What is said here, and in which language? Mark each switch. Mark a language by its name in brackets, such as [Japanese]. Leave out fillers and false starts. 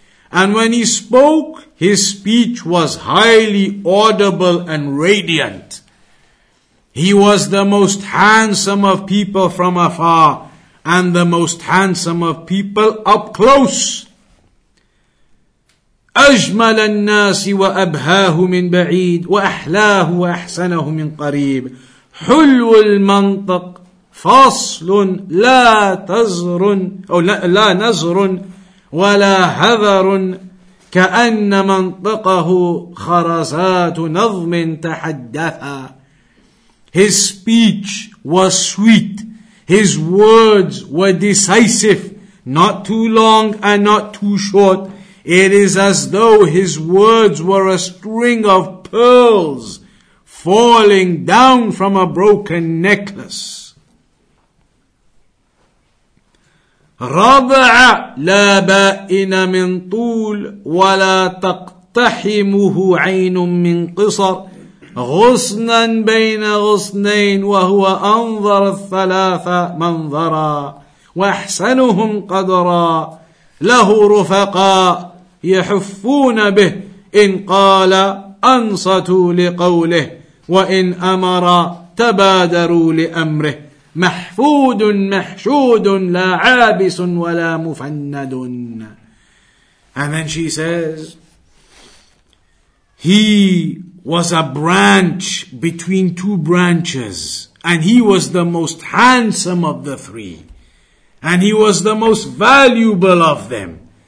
[English] And when he spoke, his speech was highly audible and radiant. He was the most handsome of people from afar, and the most handsome of people up close. [Arabic] أجمل الناس وأبهاه من بعيد وأحلاه وأحسنه من قريب حلو المنطق فصل لا تزر أو لا نزر ولا هذر كأن منطقه خرزات نظم تحدثا. [English] His speech was sweet. His words were decisive, not too long and not too short. It is as though his words were a string of pearls falling down from a broken necklace. [Arabic] رضع لا بائن من طول ولا تقتحمه عين من قصر غصنا بين غصنين وهو أنظر الثلاثة منظرا وأحسنهم قدرا له رفقاء يحفون به إن قال أنصتوا لقوله وإن أمر تبادروا لأمره محفود محشود لا عابس ولا مفند. [English] And then she says, he was a branch between two branches, and he was the most handsome of the three, and he was the most valuable of them.